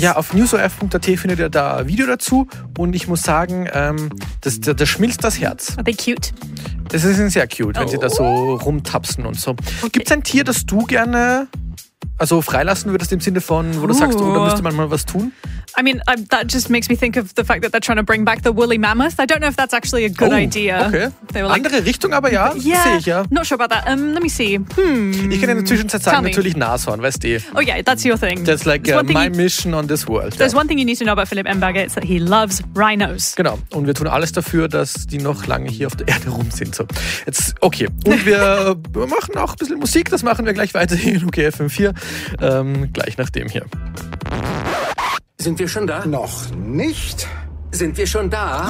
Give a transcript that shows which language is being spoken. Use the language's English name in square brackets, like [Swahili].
[German] Ja, auf newsof.at findet ihr da ein Video dazu. Und ich muss sagen, das schmilzt das Herz. [English] Are they cute? [German] Es ist sehr cute, wenn sie da so rumtapsen und so. Gibt es ein Tier, das du gerne also freilassen würdest, im Sinne von, wo du sagst, da müsste man mal was tun? [English] I mean, that just makes me think of the fact that they're trying to bring back the woolly mammoth. I don't know if that's actually a good idea. [German] Okay. Like, andere Richtung, aber ja, [English] yeah, [German] sehe ich ja. [English] Not sure about that. Let me see. [German] Ich kann in der Zwischenzeit sagen, natürlich Nashorn, weißt du. [English] Oh yeah, that's your thing. That's like my mission on this world. There's one thing you need to know about Philipp Emberger, it's that he loves rhinos. [German] Genau, und wir tun alles dafür, dass die noch lange hier auf der Erde rum sind. So. Jetzt, okay, und wir machen auch ein bisschen Musik, das machen wir gleich weiter hier in OKFM 4, gleich nach dem hier. Sind wir schon da? Noch nicht. Sind wir schon da?